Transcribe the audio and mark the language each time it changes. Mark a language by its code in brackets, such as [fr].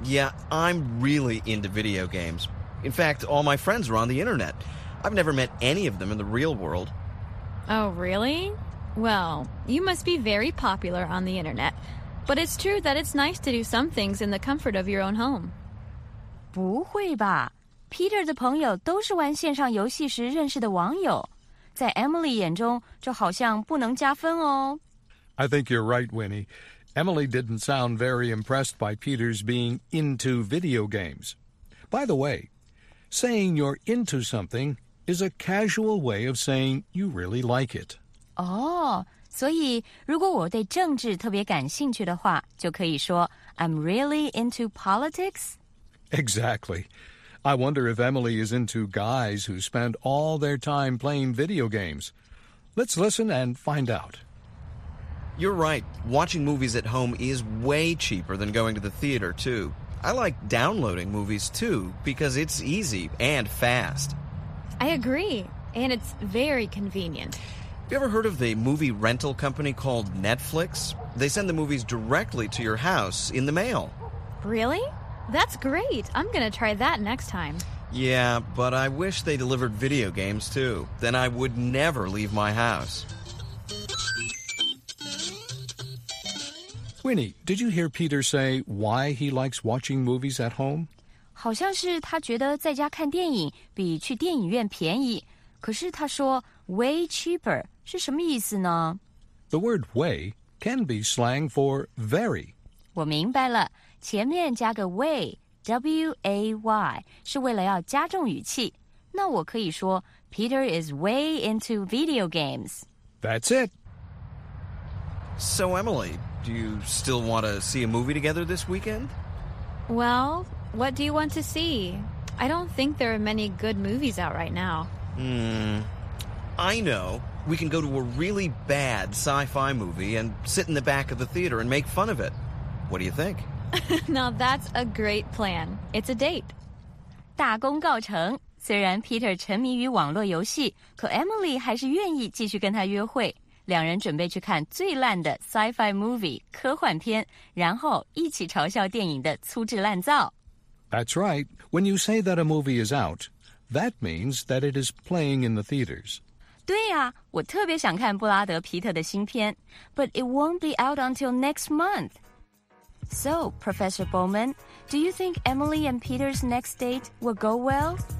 [en] Yeah, I'm really into video games. In fact, all my friends are on the internet. I've never met any of them in the real world. Oh, really? Well, you must be very popular on the internet. But it's true that it's nice to do some things in the comfort of your own home. [zh] 不会吧。 Peter 的朋友都是玩线上游戏时认识的网友。在 Emily 眼中就好像不能加分哦。 [en] I think you're right, Winnie. Emily didn't sound very impressed by Peter's being into video games. By the way, saying you're into something is a casual way of saying you really like it. [zh] Oh, 所以如果我对政治特别感兴趣的话，就可以说 [en] I'm really into politics? Exactly. I wonder if Emily is into guys who spend all their time playing video games. Let's listen and find out. You're right. Watching movies at home is way cheaper than going to the theater, too. I like downloading movies, too, because it's easy and fast. I agree. And it's very convenient. Have you ever heard of the movie rental company called Netflix? They send the movies directly to your house in the mail. Really? That's great. I'm going to try that next time. Yeah, but I wish they delivered video games too. Then I would never leave my house. Winnie, did you hear Peter say why he likes watching movies at home? [zh] 好像是他觉得在家看电影比去电影院便宜。可是他说 [en] way cheaper. [zh] 是什么意思呢? [en] The word way can be slang for very. [zh] 我明白了。前面加个 way, W-A-Y, 是为了要加重语气。那我可以说 [en] Peter is way into video games. That's it. So Emily, do you still want to see a movie together this weekend? Well, what do you want to see? I don't think there are many good movies out right now. I know. We can go to a really bad sci-fi movie and sit in the back of the theater and make fun of it. What do you think? Now that's a great plan. It's a date. [zh] 大功告成。虽然 Peter 沉迷于网络游戏，可 Emily 还是愿意继续跟他约会。两人准备去看最烂的 sci-fi movie 科幻片，然后一起嘲笑电影的粗制滥造。 [en] That's right. When you say that a movie is out, that means that it is playing in the theaters. [zh] 对呀、啊，我特别想看布拉德·皮特的新片 ， [en] But it won't be out until next month. So, Professor Bowman, do you think Emily and Peter's next date will go well?